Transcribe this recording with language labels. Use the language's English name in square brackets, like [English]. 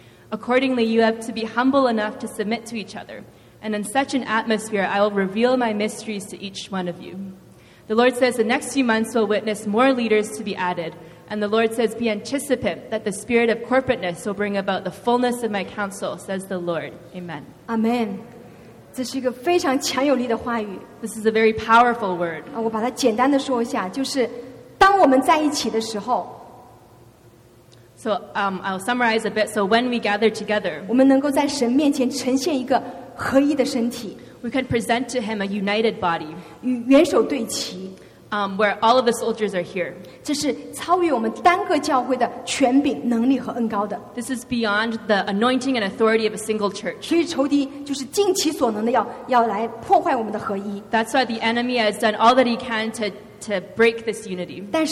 [English] Accordingly, you have to be humble enough to submit to each other. And in such an atmosphere, I will reveal my mysteries to each one of you. The Lord says, the next few months will witness more leaders to be added. And the Lord says, be anticipant that the spirit of corporateness will bring about the fullness of my counsel, says the Lord. Amen. Amen. [Chinese] 这是一个非常强有力的话语。 [English] This is a very powerful word. [Chinese] 我把它简单的说一下，就是当我们在一起的时候。 [English] So I'll summarize a bit. So when we gather together, [Chinese] 我们能够在神面前呈现一个合一的身体。 [English] We can present to him a united body. [Chinese] 元首对齐。 [English] Where all of the soldiers are here. [Chinese] 这是超越我们单个教会的权柄、能力和恩膏的。 [English] This is beyond the anointing and authority of a single church. [Chinese] 所以仇敌就是尽其所能的要来破坏我们的合一。 [English] That's why the enemy has done all that he can to break this unity.